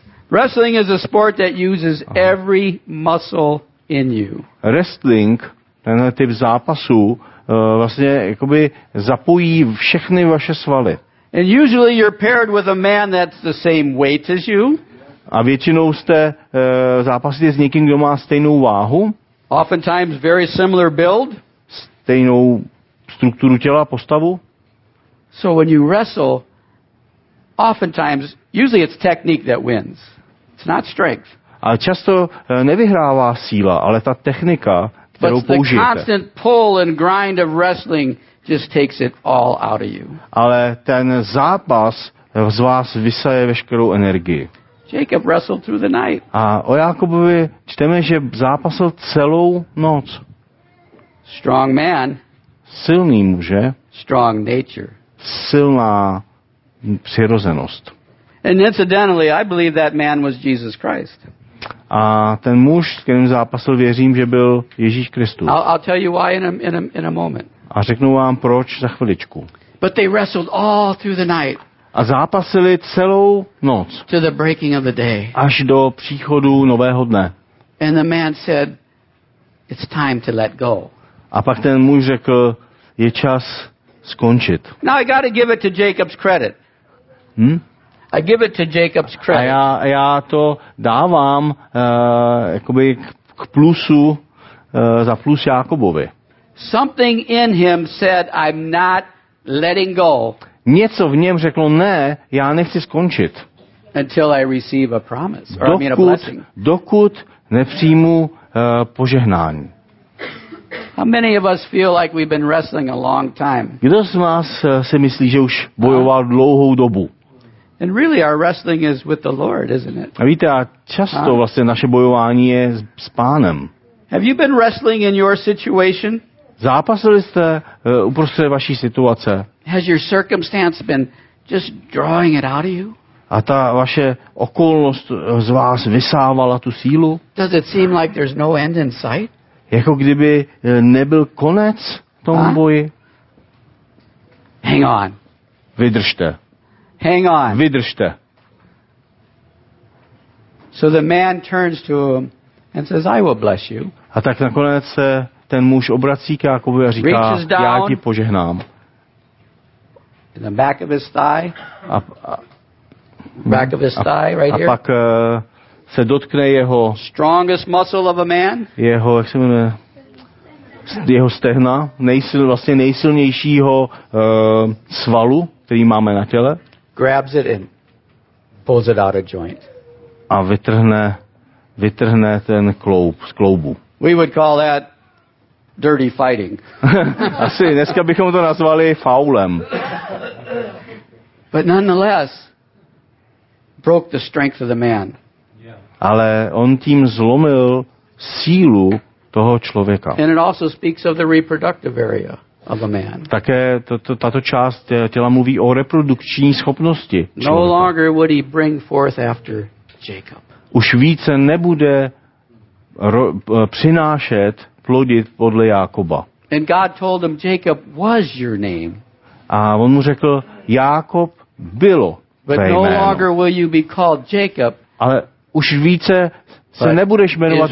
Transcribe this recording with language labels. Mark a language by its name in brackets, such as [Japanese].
[English] Wrestling is a sport that uses every muscle in you. [Czech] Wrestling, tenhle typ zápasu, vlastně jakoby zapojí všechny vaše svaly. [English] And usually you're paired with a man that's the same weight as you. [Czech] A většinou jste zápasíte s někým, kdo má stejnou váhu. [English] Oftentimes very similar build. [Czech] Stejnou strukturu těla, postavu. [English] So when you wrestle, oftentimes, usually it's technique that wins. It's not strength. [Czech] A často nevyhrává síla, ale ta technika, kterou použijete. [English] But the constant pull and grind of wrestling just takes it all out of you. [Czech] Ale ten zápas z vás vysaje veškerou energii. [English] Jacob wrestled through the night. [Czech] A o Jákobovi čteme, že zápasil celou noc. [English] Strong man. [Czech] Silný muže. [English] Strong nature. [Czech] Silná přirozenost. [English] And incidentally, I believe that man was Jesus Christ. [Czech] A ten muž, s kterým zápasil, věřím, že byl Ježíš Kristus. [English] I'll tell you why in a moment. [Czech] A řeknu vám proč za chviličku. [English] But they wrestled all through the night. [Czech] A zápasili celou noc. [English] To the breaking of the day. [Czech] Až do příchodu nového dne. [English] And the man said, it's time to let go. [Czech] A pak ten muž řekl, je čas skončit. [English] Now I gotta give it to Jacob's credit. I give it to Jacob's credit. [Czech] A já to dávám jakoby k plusu, za plus Jákobovi. [English] Something in him said, I'm not letting go. [Czech] Něco v něm řeklo, ne, já nechci skončit. [English] Until I receive a promise, or a blessing. [Czech] Dokud nepřijmu požehnání. [English] How many of us feel like we've been wrestling a long time? [Czech] Kdo z vás si myslí, že už bojoval dlouhou dobu? [English] And really our wrestling is with the Lord, isn't it? [Czech] A víte, a často vlastně naše bojování je s Pánem. [English] Have you been wrestling in your situation? [Czech] Zápasili jste uprostřed vaší situace? [English] Has your circumstance been just drawing it out of you? [Czech] A ta vaše okolnost z vás vysávala tu sílu? [English] Does it seem like there's no end in sight? [Czech] Jako kdyby nebyl konec tomu boji? [English] Hang on. [Czech] Vydržte. [English] Hang on. [Czech] Vydržte. [English] So the man turns to him and says, I will bless you. [Czech] A tak nakonec se ten muž obrací k Jákobu a říká, já ti požehnám. [English] In the back of his thigh. Back of his thigh, right here. [Czech] A pak se dotkne jeho [English] strongest muscle of a man. [Czech] Jeho, jak se jmenuje? jeho stehna, vlastně nejsilnějšího svalu, který máme na těle. [English] Grabs it and pulls it out of joint. [Czech] A vytrhne ten kloub z kloubu. [English] We would call that dirty fighting. [Czech] Asi dneska bychom to nazvali faulem. [English] But nonetheless, broke the strength of the man. [Czech] Ale on tím zlomil sílu toho člověka. [English] And it also speaks of the reproductive area of a man. [Czech] Také tato část těla mluví o reprodukční schopnosti člověka. [English] No longer would he bring forth after Jacob. [Czech] Už více nebude přinášet plodit podle Jákoba. [English] And God told him, Jacob was your name. [Czech] A on mu řekl, Jákob bylo tvé jméno. [English] But no longer will you be called Jacob. [Czech] Ale už více se nebudeš jmenovat